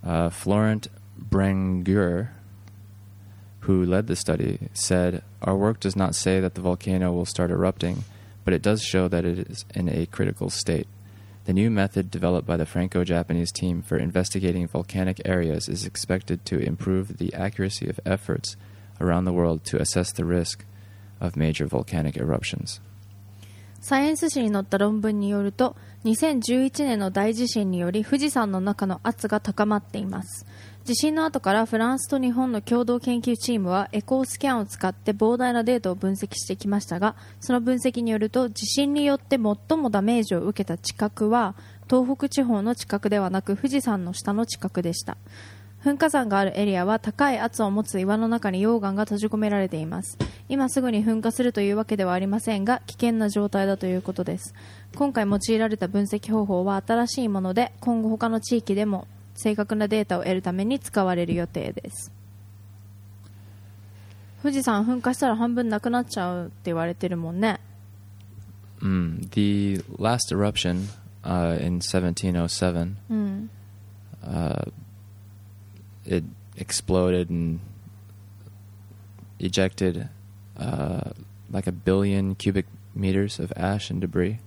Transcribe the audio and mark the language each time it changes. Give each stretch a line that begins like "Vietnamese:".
English: Florent Brengure, who led the study, said, "Our work does not say that the volcano will start erupting, but it does show that it is in a critical state. The new method developed by the Franco-Japanese team for investigating volcanic areas is expected to improve the accuracy of efforts around the world to assess the risk of major volcanic eruptions."
Japanese: サイエンス誌に載った論文によると、2011年の大地震により富士山の中の圧が高まっています。地震の後からフランスと日本の共同研究チームはエコースキャンを使って膨大なデータを分析してきましたが、その分析によると地震によって最もダメージを受けた地殻は東北地方の地殻ではなく富士山の下の地殻でした。噴火山があるエリアは高い圧を持つ岩の中に溶岩が閉じ込められています。今すぐに噴火するというわけではありませんが危険な状態だということです。今回用いられた分析方法は新しいもので今後他の地域でも正確なデータを得るために使われる予定です。富士山噴火したら半分なくなっちゃうって言われてるもんね。
English: The last eruption in 1707、It exploded and ejected like a billion cubic meters of ash and debris.